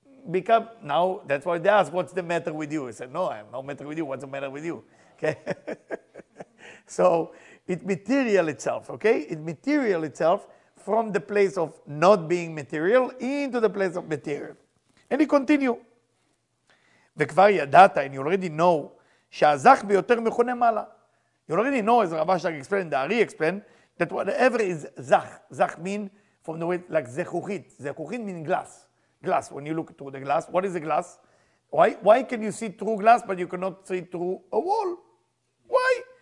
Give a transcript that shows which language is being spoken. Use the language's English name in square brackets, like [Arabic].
[English] Become now, that's why they ask, what's the matter with you? I said, no, I'm no matter with you. What's the matter with you? Okay. So it material itself, okay? It material itself from the place of not being material into the place of material. And he continue. [Hebrew] וכבר ידעת, [English] and you already know, [Hebrew] שהזך ביותר מכונה מעלה. [English] You already know, as Rav Ashlag explained, the Ari explained, that whatever is זך, זך mean from the way, like זכוכית. זכוכית mean glass. Glass, when you look through the glass, what is a glass? Why can you see through glass, but you cannot see through a wall? Why?